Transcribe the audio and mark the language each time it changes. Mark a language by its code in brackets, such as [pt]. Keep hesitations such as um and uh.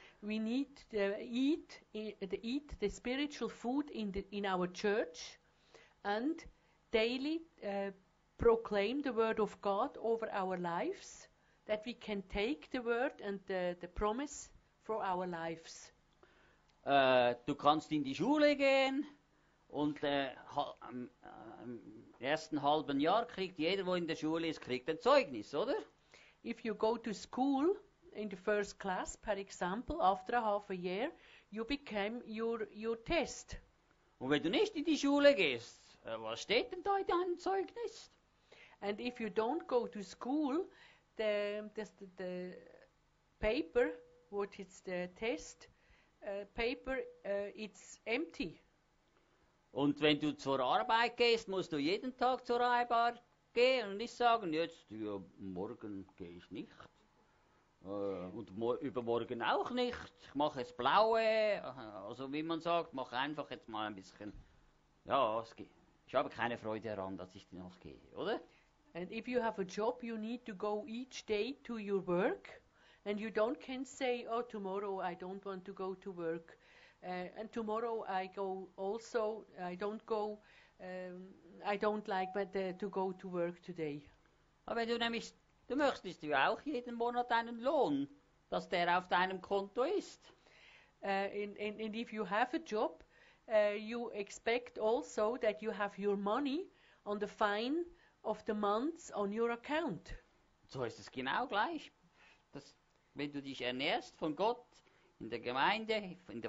[en] we need to eat the eat the spiritual food in the in our church and daily uh, proclaim the word of God over our lives that we can take the word and the, the promise for our lives [de] uh, du kannst in die schule gehen und uh, hal- um, um kriegt jeder, wo in der Schule ist, kriegt ein Zeugnis, oder? [en] If you go to school, in the first class, per example, after a half a year, you became your, your test. [de] Und wenn du nicht in die Schule gehst, äh, was steht denn da in deinem Zeugnis? And if you don't go to school, the, the, the, the paper, what is the test, uh, paper, uh, it's empty. Und wenn du zur Arbeit gehst, musst du jeden Tag zur Arbeit gehen und nicht sagen, jetzt, ja, morgen gehe ich nicht. Uh, und morgen, übermorgen auch nicht. Ich mache es blaue. Also wie man sagt, mach einfach jetzt mal ein bisschen. Ja, es geht. Ich habe keine Freude daran, dass ich die noch gehe, oder? [en] And if you have a job, you need to go each day to your work. And you don't can say, oh, tomorrow I don't want to go to work. Uh, and tomorrow I go also, I don't go, um, I don't like but, to go to work today. [de] Aber du Du möchtest ja auch jeden Monat einen Lohn, dass der auf deinem Konto ist. [en] Uh, and, and, and job, uh, you expect also that you have your money on the fine of the months on your account. [de] So ist es genau gleich. Das, wenn du dich ernährst von Gott in der Gemeinde, in der